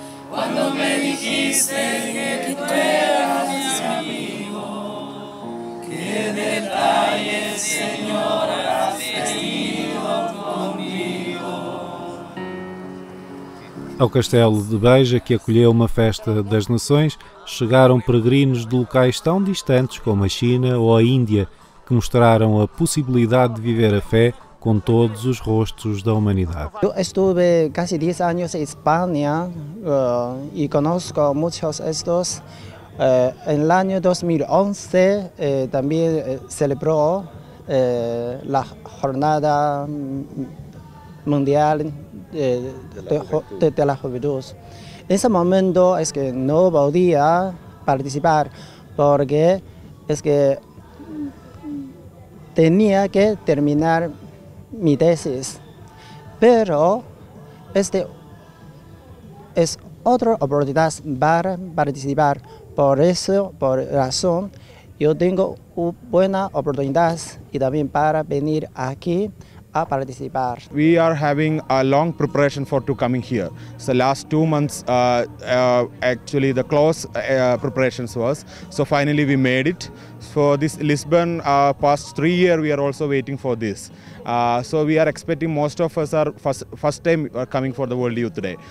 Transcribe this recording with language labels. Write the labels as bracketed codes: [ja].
[es] Cuando me dijiste que tú eras mi amigo, qué detalle, Señor, has tenido conmigo. [pt] Ao Castelo de Beja, que acolheu uma festa das nações, chegaram peregrinos de locais tão distantes como a China ou a Índia, que mostraram a possibilidade de viver a fé com todos os rostos da humanidade. Eu estive quase 10 anos em Espanha e conheço muitos estes. Em ano 2011 também celebrou a Jornada Mundial da Juventude. Nesse momento que não podia participar porque [es] tenía que terminar mi tesis, pero este es otra oportunidad para participar. Por eso, por razón, yo tengo una buena oportunidad y también para venir aquí a participar. [en] We are having a long preparation for to coming here. So last 2 months, actually the close preparations was. So finally we made it. For this Lisbon, past 3 years we are also waiting for this. So we are expecting most of us are first time are coming for the World Youth Day.